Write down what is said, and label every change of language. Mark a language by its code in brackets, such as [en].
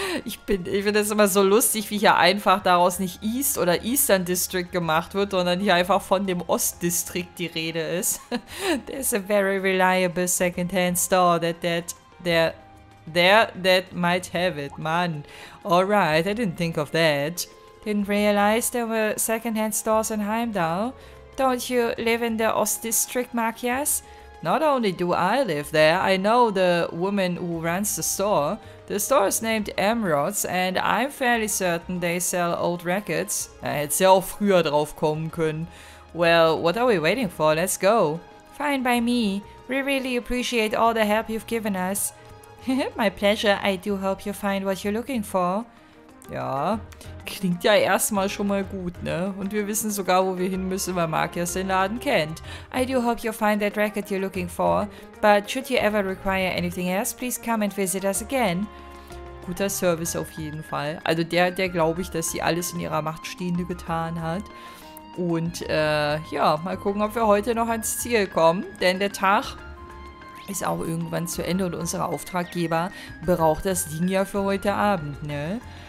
[de] Ich finde das immer so lustig, wie hier einfach daraus nicht East oder Eastern District gemacht wird, sondern hier einfach von dem Ost-District die Rede ist. [en] There's a very reliable second-hand store that might have it, man. Alright, I didn't think of that. Didn't realize there were secondhand stores in Heimdall. Don't you live in the Ost District, Markias? Not only do I live there, I know the woman who runs the store. The store is named Emrods and I'm fairly certain they sell old records. [de] Da hättest du ja auch früher drauf kommen können. [en] Well, what are we waiting for? Let's go. Fine by me. We really appreciate all the help you've given us. My pleasure, I do hope you find what you're looking for. [de] Ja, klingt ja erstmal schon mal gut, ne? Und wir wissen sogar, wo wir hin müssen, weil Mark ja seinen Laden kennt. [en] I do hope you find that record you're looking for, but should you ever require anything else, please come and visit us again. [de] Guter Service auf jeden Fall. Also der glaube ich, dass sie alles in ihrer Macht Stehende getan hat. Und ja, mal gucken, ob wir heute noch ans Ziel kommen, denn der Tag ist auch irgendwann zu Ende und unsere Auftraggeber braucht das Ding ja für heute Abend, ne?